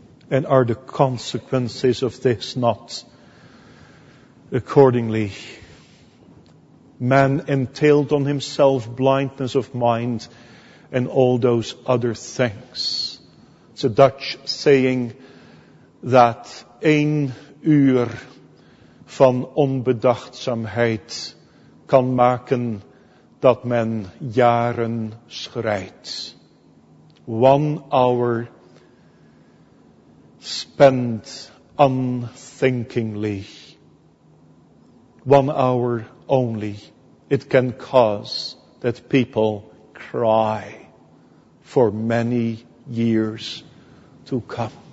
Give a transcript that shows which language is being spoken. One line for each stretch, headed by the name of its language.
English: And are the consequences of this not accordingly? Man entailed on himself blindness of mind and all those other things It's a Dutch saying that
Dutch: één uur van onbedachtzaamheid kan maken dat men jaren schrijdt.
English: 1 hour spent unthinkingly. 1 hour only. It can cause that people cry for many years to come.